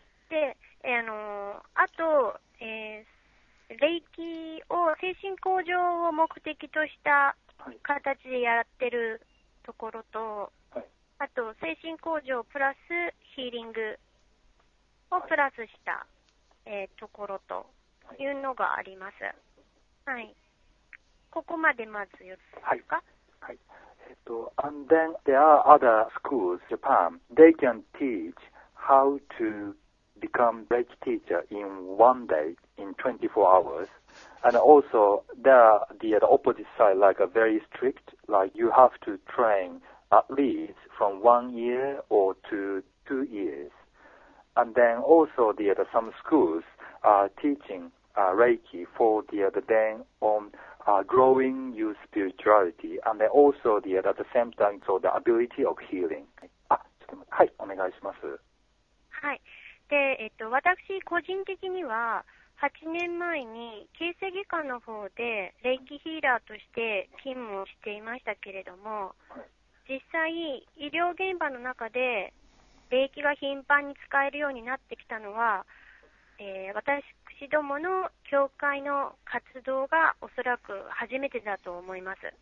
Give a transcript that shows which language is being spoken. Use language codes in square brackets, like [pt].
[ja] で、あと、レイキを精神向上を目的とした形でやってるところと、はい、あと精神向上プラスヒーリングをプラスした、はい、ところというのがあります。はい。ここまでまず言うか。はい。はい。 [en] And then there are other schools in Japan. They can teach how to become Reiki teacher in one day, in 24 hours. And also there are the opposite side, like a very strict, like you have to train at least from 1 year or to 2 years. And then also the some schools are teaching Reiki for the then on growing your spirituality and then also the at the same time so the ability of healing. [ja] あ、ちょっと待って、はい、お願いします。はい。で、私個人的には8年前に形成外科の方でレイキヒーラーとして勤務をしていましたけれども、実際医療現場の中で霊気が頻繁に使えるようになってきたのは、私どもの教会の活動がおそらく初めてだと思います。